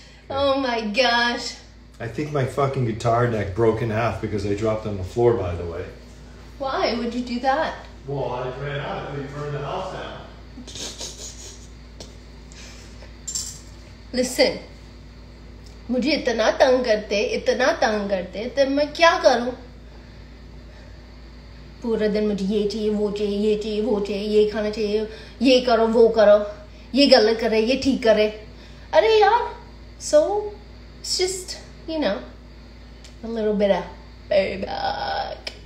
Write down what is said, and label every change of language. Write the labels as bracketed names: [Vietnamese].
[English] Oh my gosh. I think my fucking guitar neck broke in half because I dropped on the floor, by the way. Why would you do that? Well, I ran out and we burned the house down. Listen. [Hindi] मुझे इतना तंग करते, [English] then [Hindi] मैं क्या करूँ? पूरा दिन मुझे ये चाहिए, वो चाहिए, ये चाहिए, वो चाहिए, ये खाना चाहिए, ये करो, वो करो, ये गलत करे, ये ठीक करे. Are yaar, [English] so it's just, you know, a little bit of payback.